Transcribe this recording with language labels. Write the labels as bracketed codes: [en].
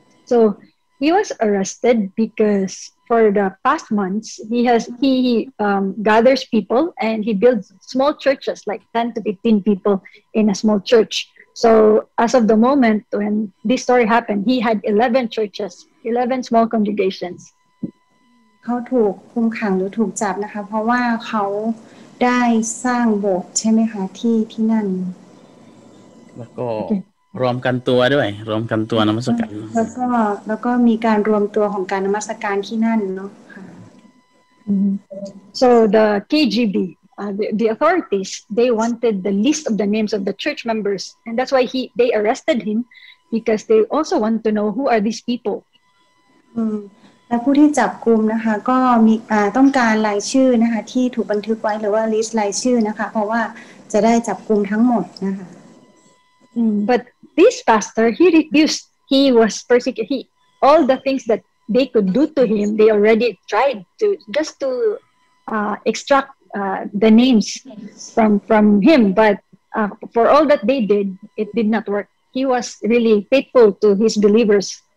[en] So he was arrested because for the past months he gathers people and he builds small churches like 10 to 15 people in a small church. So as of the moment when this story happened, he had 11 churches, 11 small congregations. [th] เขาถูกคุมขังหรือถูกจับนะคะเพราะว่าเขาได้สร้างโบสถ์ใช่ไหมคะที่นั่น แล้วก็รวมกันตัวด้วยรวมกันตัวนมัสการ แล้วก็มีการรวมตัวของการนมัสการที่นั่นเนาะค่ะ [en] So the KGB the authorities they wanted the list of the names of the church members and that's why they arrested him because they also want to know who are these people [th] และผู้ที่จับกุมนะคะก็มีต้องการรายชื่อนะคะที่ถูกบันทึกไว้หรือว่าลิสต์รายชื่อนะคะเพราะว่าจะได้จับกุมทั้งหมดนะคะ [en] But this pastor, he refused. He was persecuted. He, all the things that they could do to him, they already tried to just to extract the names from him. But for all that they did, it did not work. He was really faithful to his believers.